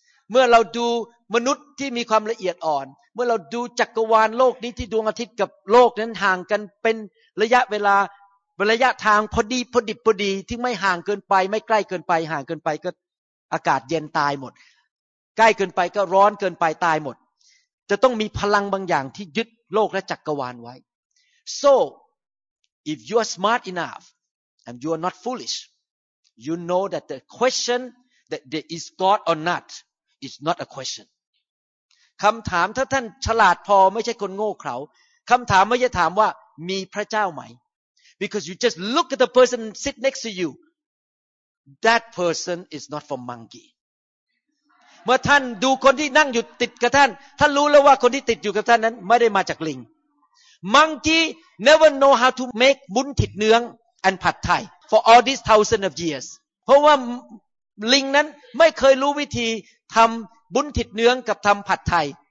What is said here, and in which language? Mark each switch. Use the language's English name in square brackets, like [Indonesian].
[Thai] เมื่อเราดูมนุษย์ที่มีความละเอียดอ่อนเมื่อเราดูจักรวาลโลกนี้ที่ดวงอาทิตย์กับโลกนั้นห่างกันเป็นระยะเวลาระยะทางพอดีพอดิบพอดีที่ไม่ห่างเกินไปไม่ใกล้เกินไปห่างเกินไปก็อากาศเย็นตายหมดใกล้เกินไปก็ร้อนเกินไปตายหมดจะต้องมีพลังบางอย่างที่ยึดโลกและจักรวาลไว้ [English] So if you are smart enoughAnd you are not foolish. You know that the question that there is God or not is not a question. [Thai] คำถามถ้าท่านฉลาดพอไม่ใช่คนโง่เขลาคำถามไม่ใช่ถามว่ามีพระเจ้าไหม [English] Because you just look at the person sit next to you. That person is not from monkey. [Thai] เมื่อท่านดูคนที่นั่งอยู่ติดกับท่านท่านรู้แล้วว่าคนที่ติดอยู่กับท่านนั้นไม่ได้มาจากลิง [English] Monkey never know how to make บุญติดเนื้องand pad thai for all these thousands of years [Thai] เพราะว่าลิงนั้นไม่เคยรู้วิธีทำบุญติดเนื้องกับทำผัดไทย